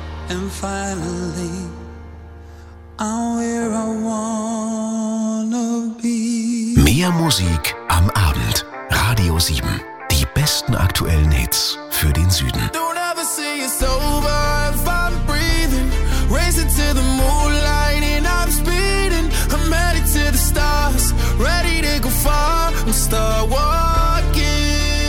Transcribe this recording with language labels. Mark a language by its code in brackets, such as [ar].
[en] and finally I'm where I wanna be. [de] Mehr Musik am Abend. Radio 7. Die besten aktuellen Hits für den Süden. [en] Don't ever see it sober if I'm breathing. Racing to the moonlight and I'm speeding. I'm headed to the stars. Ready to go far and start walking.